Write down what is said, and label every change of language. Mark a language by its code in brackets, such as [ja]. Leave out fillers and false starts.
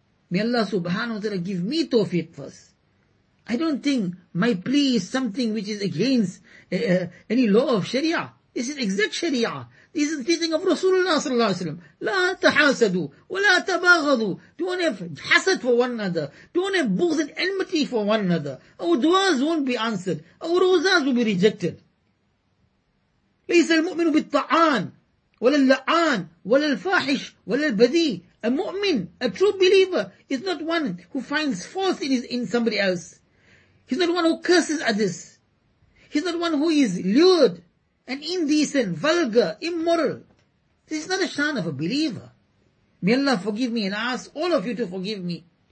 [en] May Allah subhanahu wa ta'ala give me tawfiq first. I don't think my plea is something which is against any law of Sharia. This is exact Sharia. This is the teaching of Rasulullah sallallahu alayhi wa sallam. [ar] لا تحاسدوا ولا تباغضوا. [en] Don't have hasad for one another. Don't have bughz and enmity for one another. Our du'as won't be answered. Our rozas will be rejected. [ar] ليس المؤمن بالطعان ولا اللعان ولا الفاحش ولا البذيء. [en] A mu'min, a true believer, is not one who finds fault in somebody else. He's not one who curses others. He's not one who is lewd and indecent, vulgar, immoral. This is not a shan of a believer. May Allah forgive me and ask all of you to forgive me.